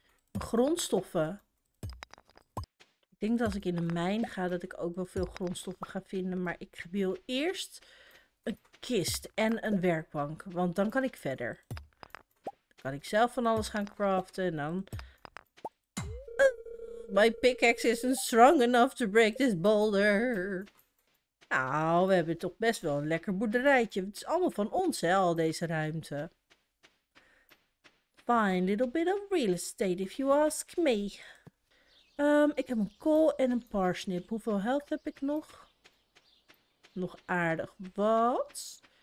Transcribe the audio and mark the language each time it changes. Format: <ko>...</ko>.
<nl>Mijn grondstoffen. Ik denk dat als ik in de mijn ga, dat ik ook wel veel grondstoffen ga vinden. Maar ik wil eerst een kist en een werkbank. Want dan kan ik verder. Dan kan ik zelf van alles gaan craften en dan...</nl> <en>My pickaxe isn't strong enough to break this boulder.</en> <nl>Nou, we hebben toch best wel een lekker boerderijtje. Het is allemaal van ons, hè, al deze ruimte.</nl> <en>Fine little bit of real estate, if you ask me.</en> <nl>Ik heb een kool en een parsnip. Hoeveel health heb ik nog? Nog aardig wat.</nl>